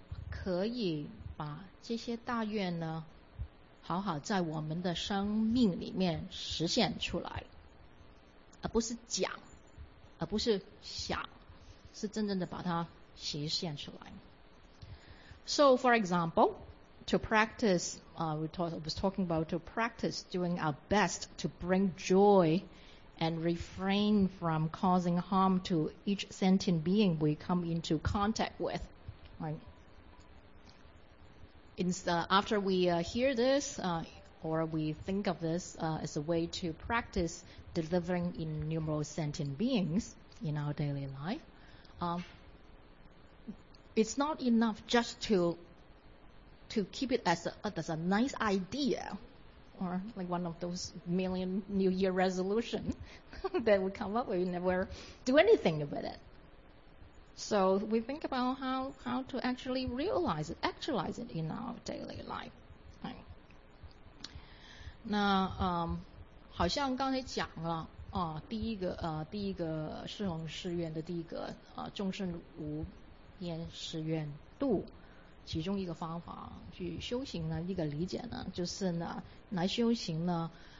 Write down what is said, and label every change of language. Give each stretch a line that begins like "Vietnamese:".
Chinese: 可以把这些大愿呢好好在我们的生命里面实现出来，而不是讲，而不是想，是真正的把它实现出来。
English: So for example, to practice, I was talking about to practice doing our best to bring joy and refrain from causing harm to each sentient being we come into contact with, right? After we hear this, or we think of this as a way to practice delivering innumerable sentient beings in our daily life, it's not enough just to keep it as a nice idea, or like one of those million New Year resolutions that we come up with, we never do anything with it. So we think about how to actually realize it, actualize it in our daily life. Right.
Chinese: 那好像刚才讲了啊，第一个释弘誓愿的第一个众生无边誓愿度，其中一个方法去修行呢，一个理解呢，就是呢来修行呢